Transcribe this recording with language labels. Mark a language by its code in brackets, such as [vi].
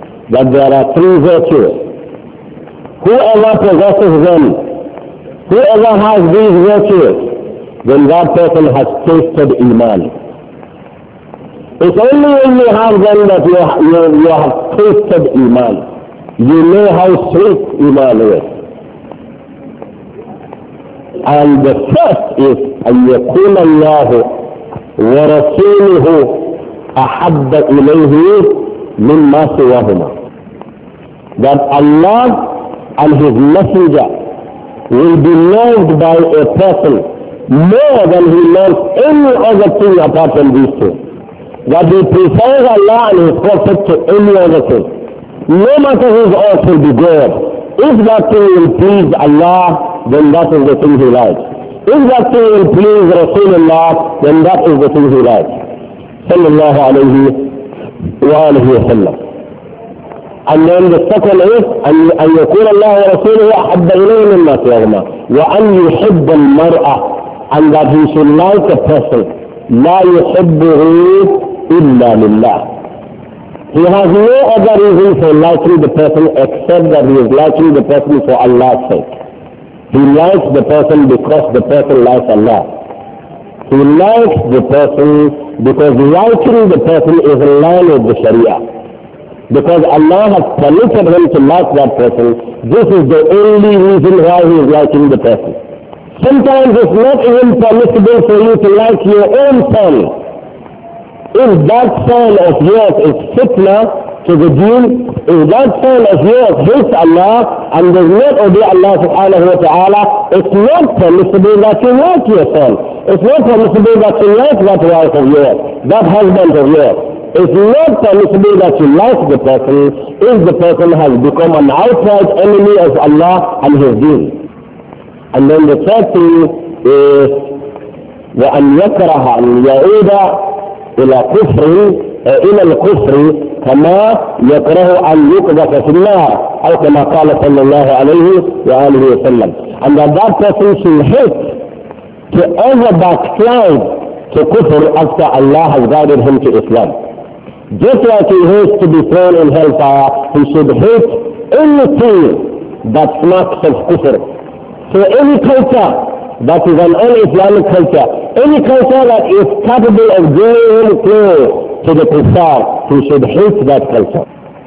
[en] That there are three virtues. Whoever possesses them, whoever has these virtues, then that person has tasted iman. It's only when you have them that you have tasted iman. You know how sweet iman is. And the first is [ar] أن يكون الله ورسوله أحب إليه مما سواهما. [en] That Allah and His Messenger will be loved by a person more than he loves any other thing apart from these two. That he prefers Allah and His Prophet to any other thing. No matter whose earth will be good, if that thing will please Allah, then that is the thing he likes. If that thing will please Rasulullah, then that is the thing he likes. Sallallahu alayhi wa alayhi wa sallam. And then the second is, [ar] أن يكون الله ورسوله أحب إليه مما سواهما. وأن يحب المرء. [en] And that he should like a person. [ar] لا يحبه إلا لله. [en] He has no other reason for liking the person except that he is liking the person for Allah's sake. He likes the person because the person likes Allah. He likes the person because liking the person is in line with the Sharia. Because Allah has permitted him to like that person, this is the only reason why he is liking the person. Sometimes it's not even permissible for you to like your own son. If that son of yours is fitna to the deen, if that son of yours hates Allah and does not obey Allah subhanahu wa ta'ala, it's not permissible that you like your son. It's not permissible that you like that wife of yours, that husband of yours. It's not permissible that you like the person if the person has become an outright enemy of Allah and his deen. And then the third thing is [ar] وَأَنْ يَكْرَهَ أَنْ يَعُودَ إِلَىٰ كُفْرٍ إِلَىٰ الْكُفْرِ كَمَا يَكْرَهُ أَنْ يُقْذَفَ فِي النَّارِ أو كما قال صلى الله عليه وآله وسلم. [en] And that person should hate to ever backslide to kufr after Allah has guided him to Islam. Just like he hates to be thrown in hellfire, he should hate anything that smacks of kufr. So any culture that is an un-Islamic culture, any culture that is capable of going close to the kufar, he should hate that culture.